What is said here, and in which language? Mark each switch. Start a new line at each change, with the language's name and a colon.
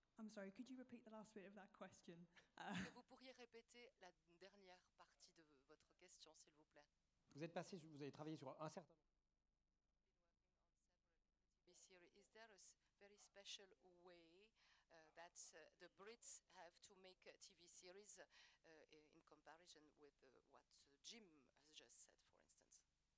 English: sorry, could you repeat the last bit of that question?
French: Vous pourriez répéter la dernière partie de votre question, s'il vous plaît. Vous êtes passé, vous avez travaillé sur un certain nombre.
English: Is there a very special way that the Brits have to make a TV series in comparison with what Jim has just said, for instance?